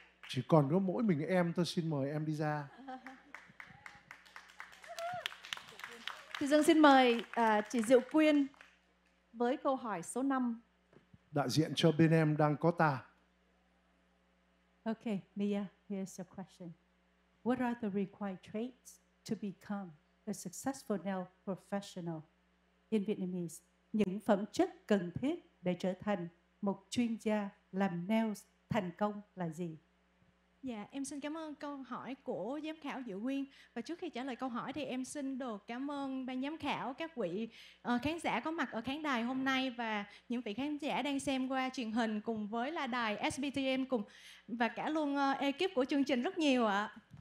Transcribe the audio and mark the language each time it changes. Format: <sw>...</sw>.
<vi>Chỉ còn có mỗi mình em thôi, xin mời em đi ra. Chị Dương xin mời chị Diệu Quyên với câu hỏi số 5. Đại diện cho bên em đang có ta.</vi> <en>Okay, Mia, here's your question. What are the required traits to become a successful nail professional? In Vietnamese,</en> <vi>những phẩm chất cần thiết để trở thành một chuyên gia làm nails thành công là gì? Dạ, em xin cảm ơn câu hỏi của giám khảo Diệu Quyên. Và trước khi trả lời câu hỏi thì em xin được cảm ơn ban giám khảo, các vị khán giả có mặt ở khán đài hôm nay và những vị khán giả đang xem qua truyền hình cùng với là đài SBTM cùng và cả luôn ekip của chương trình rất nhiều ạ.</vi>